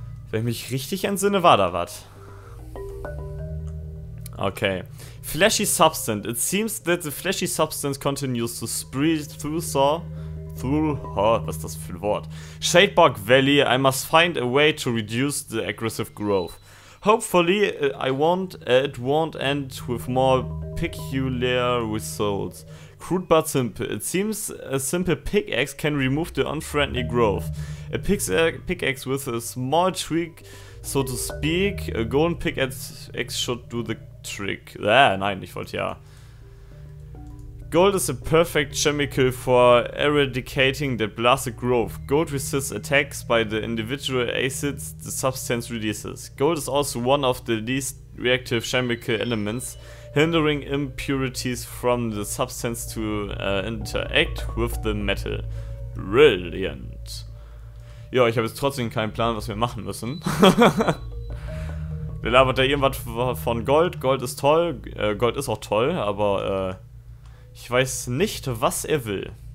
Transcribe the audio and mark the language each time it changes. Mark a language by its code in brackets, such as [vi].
[de] Wenn ich mich richtig entsinne, war da was. [en] Okay. Flashy Substance. It seems that the flashy substance continues to spread through Saw. Through. [de] Oh, was ist das für ein Wort? [en] Shadebark Valley. I must find a way to reduce the aggressive growth. Hopefully, it won't end with more peculiar results. Crude but simple. It seems a simple pickaxe can remove the unfriendly growth. A pickaxe with a small tweak, so to speak. A golden pickaxe should do the trick. [de] Nein, ich wollte ja. [en] Gold is a perfect chemical for eradicating the blasted growth. Gold resists attacks by the individual acids the substance releases. Gold is also one of the least reactive chemical elements, hindering impurities from the substance to interact with the metal. Brilliant. [de] Ja, ich habe jetzt trotzdem keinen Plan, was wir machen müssen. Wir labern da irgendwas von Gold. Gold ist toll. Gold ist auch toll, aber ich weiß nicht, was er will.